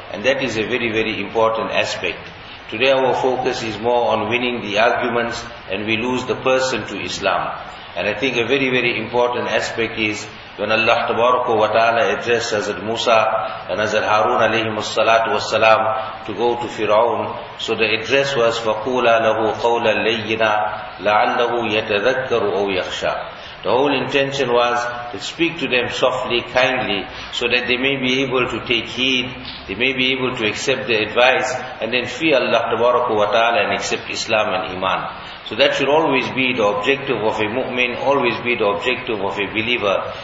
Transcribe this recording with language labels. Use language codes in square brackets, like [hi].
[en] And that is a very, very important aspect. Today our focus is more on winning the arguments and we lose the person to Islam. And I think a very, very important aspect is when Allah tabaraka wa ta'ala addressed Hazrat Musa and Hazrat Harun alayhim as-salatu was-salam to go to Fir'aun. So the address was, [ar] فَقُولَ لَهُ قَوْلَ لَيِّنَا لَعَلَّهُ يَتَذَكَّرُ أَوْ يَخْشَى. [en] The whole intention was to speak to them softly, kindly, so that they may be able to take heed, they may be able to accept the advice, and then fear Allah tabaraka wa ta'ala and accept Islam and Iman. So that should always be the objective of a mu'min, always be the objective of a believer.